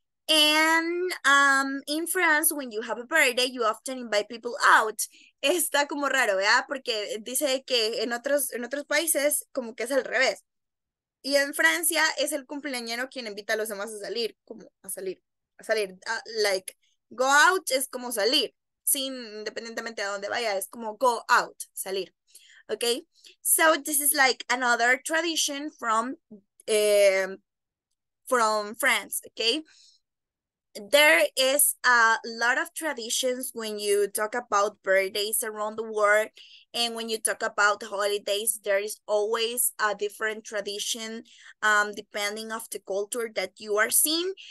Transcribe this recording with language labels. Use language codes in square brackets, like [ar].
[en] And in France, when you have a birthday, you often invite people out. [es] Está como raro, ¿verdad? Porque dice que en otros países como que es al revés. Y en Francia es el cumpleañero quien invita a los demás a salir, como a salir. Like, go out es como salir, sin independientemente de dónde vaya, es como go out, salir. [en] Okay, so this is like another tradition from France, okay? There is a lot of traditions when you talk about birthdays around the world, and when you talk about holidays, there is always a different tradition depending of the culture that you are seeing.